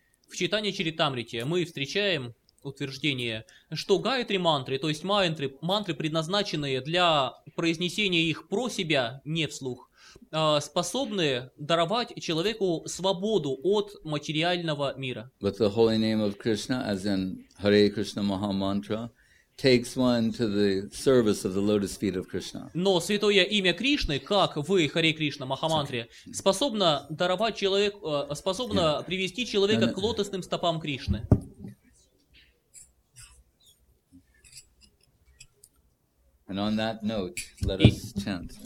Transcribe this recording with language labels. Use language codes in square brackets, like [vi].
[ru] В читании Чаритамрите мы встречаем утверждение, что Гаятри мантры, то есть мантры, предназначенные для произнесения их про себя, не вслух, способны даровать человеку свободу от материального мира. [en] But the holy name of Krishna, as in Hare Krishna Maha Mantra, takes one to the service of the lotus feet of Krishna. [ru] Но святое имя Кришны, как вы, Харе Кришна, Махамантре, способно даровать человеку, способно привести человека к лотосным стопам Кришны. [en] And on that note, let us chant.